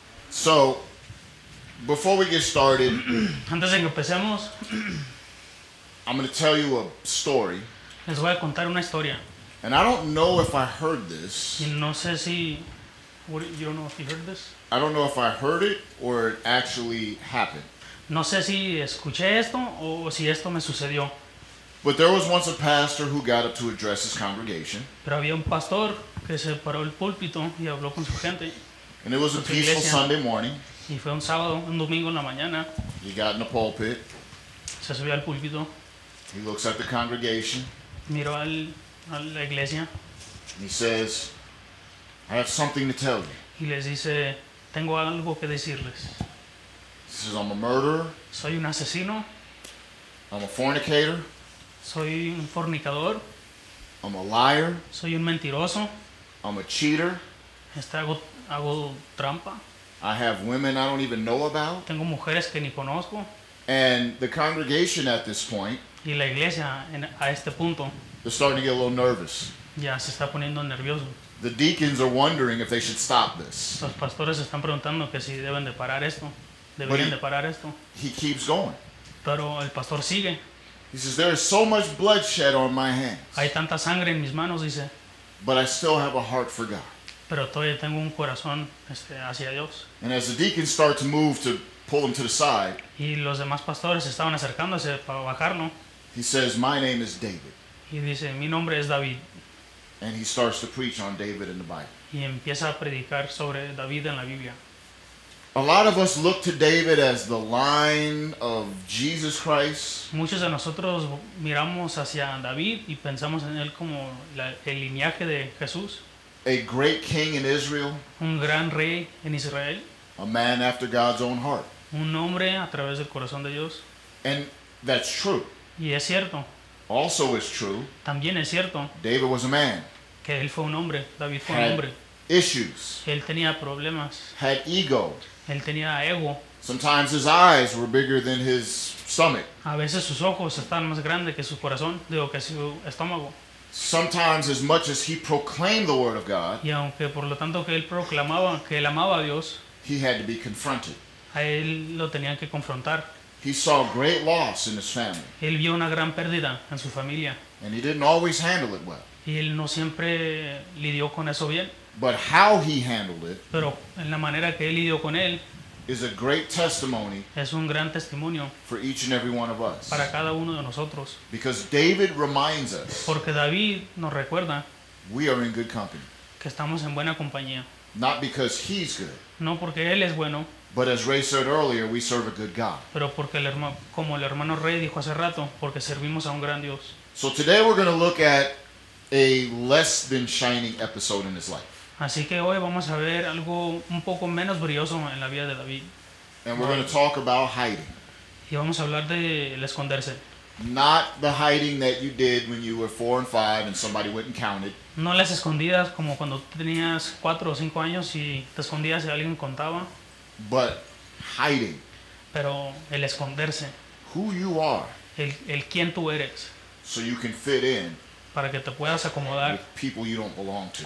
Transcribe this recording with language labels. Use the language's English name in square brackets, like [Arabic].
[English] So, before we get started, [Spanish] antes de que empecemos, [English] I'm going to tell you a story. [Spanish] Les voy a contar una historia. [English] And I don't know if I heard this. [Spanish] Y no sé si, [English] what, you don't know if you heard this? I don't know if I heard it or it actually happened. [Spanish] No sé si escuché esto o si esto me sucedió. [English] But there was once a pastor who got up to address his congregation. [Spanish] Pero había un pastor que se paró el púlpito y habló con su gente. [English] And it was a peaceful [Spanish] iglesia. [English] Sunday morning. [Spanish] Y fue un sábado, un domingo en la mañana. [English] He got in the pulpit. [Spanish] Se subió al púlpito. [English] He looks at the congregation. [Spanish] Miró al, a la iglesia. [English] He says, I have something to tell you. [Spanish] Y les dice, tengo algo que decirles. [English] He says, I'm a murderer. [Spanish] Soy un asesino. [English] I'm a fornicator. [Spanish] Soy un fornicador. [English] I'm a liar. [Spanish] Soy un mentiroso. [English] I'm a cheater. [Spanish] Hago trampa. [English] I have women I don't even know about. [Spanish] Tengo mujeres que ni conozco. [English] And the congregation at this point, [Spanish] y la iglesia en, a este punto, [English] they're starting to get a little nervous. [Spanish] Ya se está poniendo nervioso. [English] The deacons are wondering if they should stop this. [Spanish] Los pastores están preguntando que si deben de parar esto. Deberían de parar esto. [English] He keeps going. [Spanish] Pero el pastor sigue. [English] He says, there is so much bloodshed on my hands. [Spanish] Hay tanta sangre en mis manos, dice. [English] But I still have a heart for God. [Spanish] Pero todavía tengo un corazón hacia Dios. [English] And as the deacons start to move to pull him to the side, [Spanish] y los demás pastores estaban acercándose para bajarlo, [English] he says, my name is David. [Spanish] Y dice, mi nombre es David. [English] And he starts to preach on David in the Bible. [Spanish] Y empieza a predicar sobre David en la Biblia. [English] A lot of us look to David as the line of Jesus Christ. [Spanish] Muchos de nosotros miramos hacia David y pensamos en él como la, el linaje de Jesús. [English] A great king in Israel. [Spanish] Un gran rey en Israel. [English] A man after God's own heart. [Spanish] Un hombre a través del corazón de Dios. [English] And that's true. [Spanish] Y es cierto. [English] Also is true. [Spanish] También es cierto. [English] David was a man. [Spanish] Que él fue un hombre. David fue un hombre. [English] Issues. [Spanish] Él tenía problemas. [English] Had ego. [Spanish] Él tenía ego. [English] Sometimes his eyes were bigger than his stomach. [Spanish] A veces sus ojos estaban más grandes que su corazón, digo que su estómago. [English] Sometimes as much as he proclaimed the word of God. [Spanish] Y aunque por lo tanto que él proclamaba que él amaba a Dios. [English] He had to be confronted. [Spanish] A él lo tenían que confrontar. [English] He saw great loss in his family. [Spanish] Él vio una gran pérdida en su familia. [English] And he didn't always handle it well. [Spanish] Y él no siempre lidió con eso bien. [English] But how he handled it. [Spanish] Pero en la manera que él lidió con él. [English] Is a great testimony. [Spanish] Es un gran testimonio. [English] For each and every one of us. [Spanish] Para cada uno de nosotros. [English] Because David reminds us. [Spanish] Porque David nos recuerda. [English] We are in good company. [Spanish] Que estamos en buena compañía. [English] Not because he's good. [Spanish] No porque él es bueno. [English] But as Ray said earlier, we serve a good God. [Spanish] Pero porque el hermano, como el hermano Ray dijo hace rato, porque servimos a un gran Dios. [English] So today we're going to look at a less than shining episode in his life. [Spanish] Así que hoy vamos a ver algo un poco menos brilloso en la vida de David. [English] And we're going to talk about hiding. [Spanish] Y vamos a hablar de el esconderse. [English] Not the hiding that you did when you were 4 and 5 and somebody went and counted. [Spanish] No las escondidas como cuando tenías 4 o 5 años y te escondías y alguien contaba. [English] But hiding. [Spanish] Pero el esconderse. [English] Who you are. [Spanish] El quién tú eres. [English] So you can fit in. [Spanish] Para que te puedas acomodar [English] with people you don't belong to.